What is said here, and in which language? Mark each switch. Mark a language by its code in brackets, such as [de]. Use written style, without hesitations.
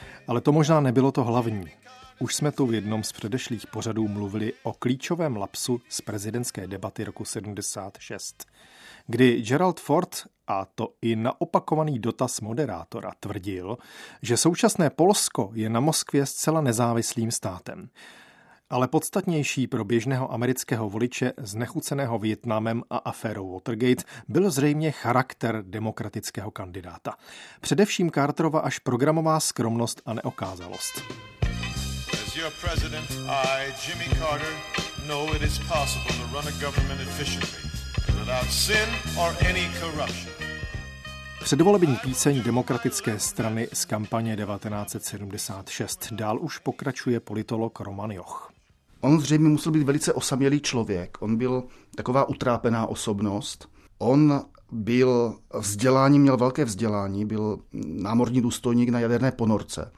[cs] Ale to možná nebylo to hlavní. Už jsme tu v jednom z předešlých pořadů mluvili o klíčovém lapsu z prezidentské debaty roku 76, kdy Gerald Ford, a to i na opakovaný dotaz moderátora, tvrdil, že současné Polsko je na Moskvě zcela nezávislým státem. Ale podstatnější pro běžného amerického voliče znechuceného Vietnamem a aférou Watergate byl zřejmě charakter demokratického kandidáta. Především Carterova až programová skromnost a neokázalost. [en] As your president, I, Jimmy Carter, know it is possible to run a government efficiently without sin or any corruption. [cs] Předvolební píseň demokratické strany z kampaně 1976 dál už pokračuje politolog Roman Joch. On zřejmě musel být velice osamělý člověk. On byl taková utrápená osobnost. On byl vzdělání, měl velké vzdělání, byl námorní důstojník na jaderné ponorce.